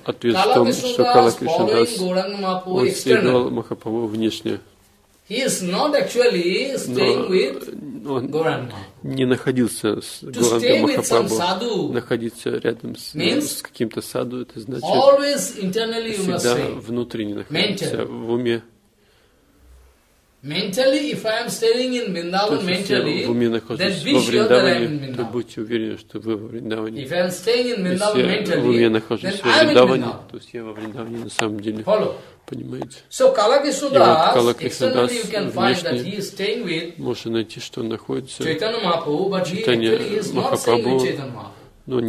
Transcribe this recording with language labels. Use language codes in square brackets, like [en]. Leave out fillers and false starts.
[ru] Ответ в том, что Калакришнадас, он следовал Махапрабху внешне. [en] He is not actually staying with Gauranga. [ru] Не находился с Гуранга Махапрабху, находиться рядом с каким-то саду, это значит всегда внутренне находиться в уме. [en] Mentally, if I am staying in Vrindavan mentally, then be sure that I am in Vrindavan. [ru] Будьте уверены, что вы во Вриндаване. [en] If I am staying in Vrindavan mentally, then I am in Vrindavan. [ru] То есть я во Вриндаване на самом деле. [en] Follow. [ru] Понимаете? [en] So Калакришна Дас, externally you can find that he is staying with. [ru] Можно найти, что он находится. [en] Чайтанья Махапрабху, but he actually is not staying with Чайтанья.